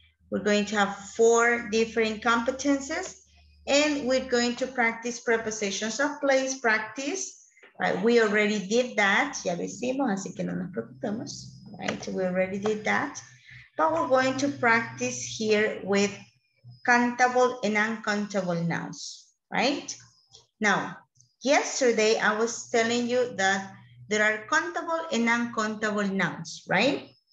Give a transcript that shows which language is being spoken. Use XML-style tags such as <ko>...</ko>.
<en>We're going to have 4 different competences, and we're going to practice prepositions of place practice. Right? We already did that.</en> <es>Ya lo hicimos, así que no nos preocupemos.</es> <en>Right? We already did that. But we're going to practice here with countable and uncountable nouns. Right? Now, yesterday I was telling you that there are countable and uncountable nouns. Right?</en>